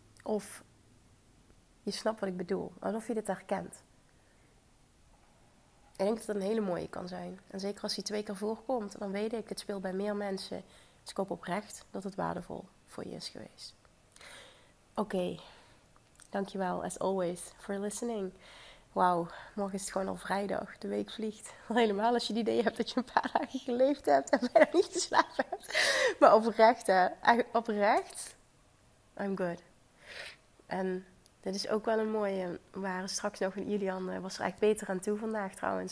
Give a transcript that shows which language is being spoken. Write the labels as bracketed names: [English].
[Dutch] Of je snapt wat ik bedoel. Alsof je dit herkent. Ik denk dat het een hele mooie kan zijn. En zeker als die twee keer voorkomt, dan weet ik, het speelt bij meer mensen. Dus ik hoop oprecht dat het waardevol voor je is geweest. Oké. [English] Dankjewel, as always, for listening. [Dutch] Wauw, morgen is het gewoon al vrijdag. De week vliegt. Helemaal als je het idee hebt dat je een paar dagen geleefd hebt en bijna niet te slapen hebt. Maar oprecht, hè. Oprecht, [English] I'm good. [Dutch] En dit is ook wel een mooie. We waren straks nog in Ilian. Was er echt beter aan toe vandaag trouwens.